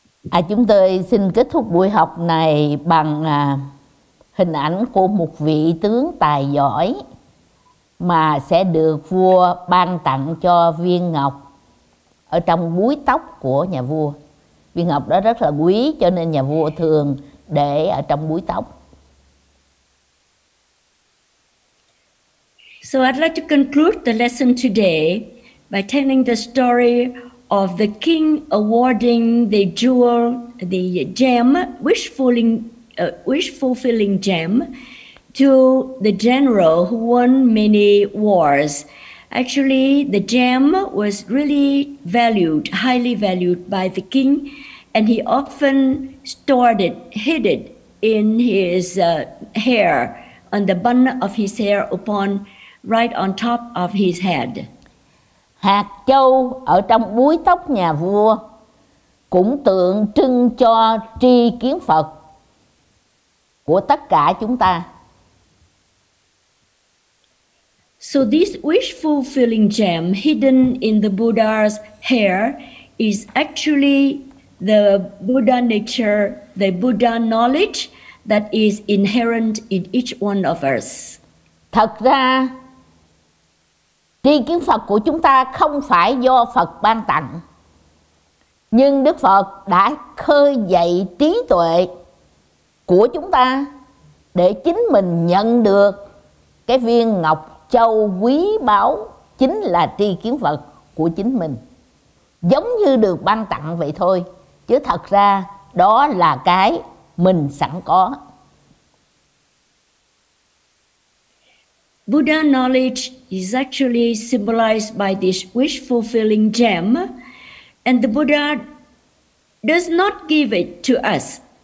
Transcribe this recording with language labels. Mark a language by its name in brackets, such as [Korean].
[Vietnamese] À, chúng tôi xin kết thúc buổi học này bằng hình ảnh của một vị tướng tài giỏi mà sẽ được vua ban tặng cho viên ngọc ở trong búi tóc của nhà vua. Viên ngọc đó rất là quý cho nên nhà vua thường để ở trong búi tóc. [English] So I'd like to conclude the lesson today by telling the story of the king awarding the jewel, the gem, wish fulfilling gem, to the general who won many wars. Actually, the gem was really valued, highly valued by the king, and he often stored it, hid it in his hair, on the bun of his hair, upon right on top of his head. [Vietnamese] Hạt châu ở trong búi tóc nhà vua cũng tượng trưng cho tri kiến Phật của tất cả chúng ta. [English] So this wish-fulfilling gem hidden in the Buddha's hair is actually the Buddha nature, the Buddha knowledge that is inherent in each one of us. [Vietnamese] Thật ra, tri kiến Phật của chúng ta không phải do Phật ban tặng, nhưng Đức Phật đã khơi dậy trí tuệ của chúng ta để chính mình nhận được cái viên ngọc châu quý báu, chính là tri kiến Phật của chính mình, giống như được ban tặng vậy thôi, chứ thật ra đó là cái mình sẵn có. [English] Buddha knowledge is actually symbolized by this wish-fulfilling gem, and the Buddha does not give it to us.